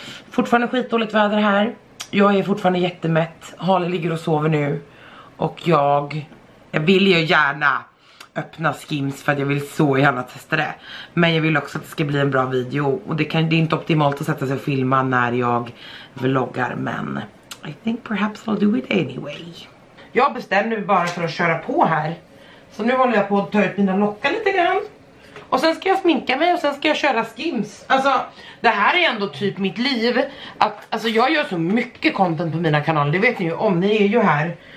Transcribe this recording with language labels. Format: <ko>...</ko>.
<sv>Fortfarande skitdåligt väder här. Jag är fortfarande jättemätt. Harley ligger och sover nu. Och jag vill ju gärna öppna skims för att jag vill så gärna testa det. Men jag vill också att det ska bli en bra video. Och det är inte optimalt att sätta sig och filma när jag vloggar. Men</sv> <en>I think perhaps I'll do it anyway.</en> <sv>Jag bestämde mig bara för att köra på här. Så nu håller jag på att ta ut mina lockar lite grann. Och sen ska jag sminka mig och sen ska jag köra skims. Alltså, det här är ändå typ mitt liv. Att, alltså jag gör så mycket content på mina kanaler. Det vet ni ju om, ni är ju här.</sv>